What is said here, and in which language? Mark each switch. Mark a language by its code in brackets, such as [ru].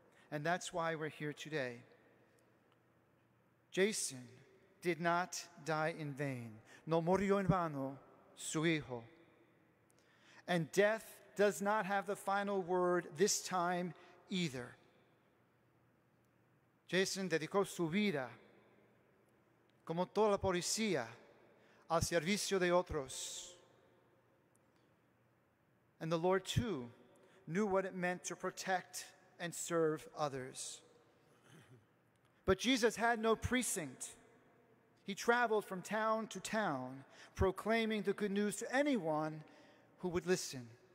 [en] And that's why we're here today. Jason did not die in vain. [es] No murió en vano su hijo. [en] And death does not have the final word this time either. [es] Jason dedicó su vida, como toda la policía, al servicio de otros. [en] And the Lord, too, knew what it meant to protect and serve others. But Jesus had no precinct. He traveled from town to town, proclaiming the good news to anyone who would listen.